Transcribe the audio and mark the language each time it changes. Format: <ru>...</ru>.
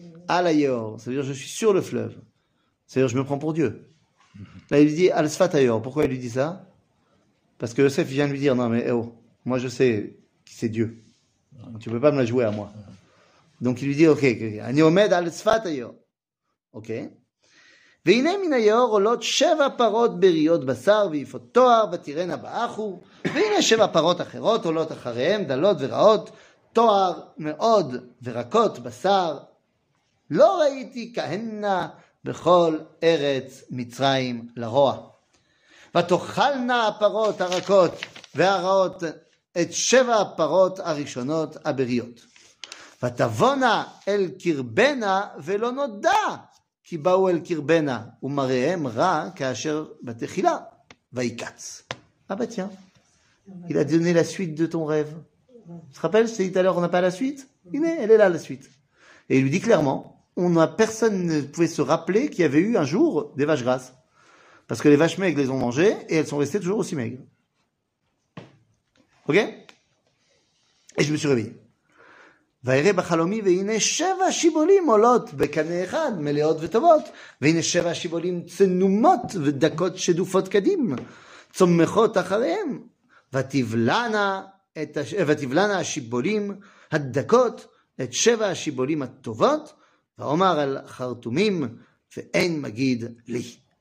<fr>Alayor, ça veut dire je suis sur le fleuve. C'est-à-dire je me prends pour Dieu. Là, il lui dit Al-Sfat Ayor. Pourquoi il lui dit ça? Parce que Yosef vient lui dire, non mais oh, moi je sais qui c'est Dieu. Tu ne peux pas me la jouer à moi. Donc il lui dit, ok, Aniomed Al-Sfat Ayor. Ok.</fr> <he>והנה מן היאור עולות שבע פרות בריאות בשר ויפות תואר ותירנה באחו והנה שבע פרות אחרות עולות אחריהם דלות ורעות תואר מאוד ורקות בשר לא ראיתי כהנה בכל ארץ מצרים לרוע ותאכלנה הפרות הרקות והרעות את שבע פרות הראשונות הבריאות ותבונה אל קרבנה ולא נודע כי באו אל קרבנה, ומראיהם רע כאשר בתחילה, ויקץ. אבא תיאן,</he> <fr>il a donné la suite de ton rêve. Tu te rappelles, c'est dit tout à l'heure, on n'a pas la suite? Iné, elle est là, la suite. Et il lui dit clairement, personne ne pouvait se rappeler qu'il y avait eu un jour des vaches grasses. Parce que les vaches maigres les ont mangées, et elles sont restées toujours aussi maigres. Ok? Et je me suis réveillé.</fr> <he>ויראה בחלומי והנה שבע שיבולים עולות בקנה אחד מלאות וטובות והנה שבע שיבולים צנומות ודקות שדופות קדים צומחות אחריהם ותבלנה השיבולים הדקות את שבע השיבולים הטובות ואומר על חרטומים ואין מגיד לי</he>